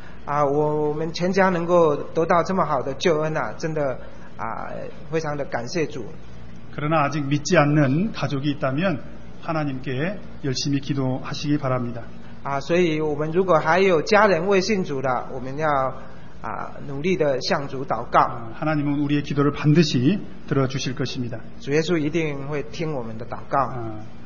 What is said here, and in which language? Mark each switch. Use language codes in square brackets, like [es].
[zh] 我们全家能够得到这么好的救恩啊真的啊非常的感谢主 [ko] 그러나아직믿지않는가족이있다면하나님께열심히기도하시기바랍니다 [zh] 아所以我们如果还有家人未信主的我们要啊努力的向主祷告 [ko] 하나님은우리의기도를반드시들어주실것입니다 [zh] 주예수一定会听我们的祷告